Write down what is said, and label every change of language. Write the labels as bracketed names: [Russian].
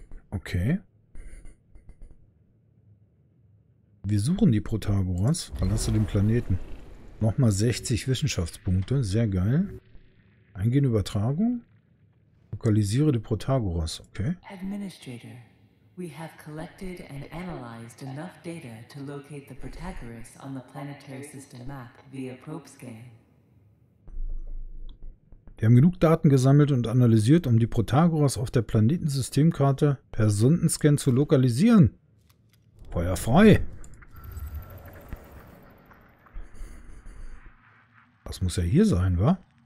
[German] Okay. Wir suchen die Protagoras. Verlasse den Planeten. Nochmal 60 Wissenschaftspunkte. Sehr geil. Eingehende Übertragung. Lokalisiere die Protagoras. Okay. [English] Administrator, we have collected and analyzed enough data to locate the Protagoras on the planetary system map via probe scan. [German] Wir haben genug Daten gesammelt und analysiert, um die Protagoras auf der Planetensystemkarte per Sondenscan zu lokalisieren. Feuer frei! Das muss ja hier sein, wa?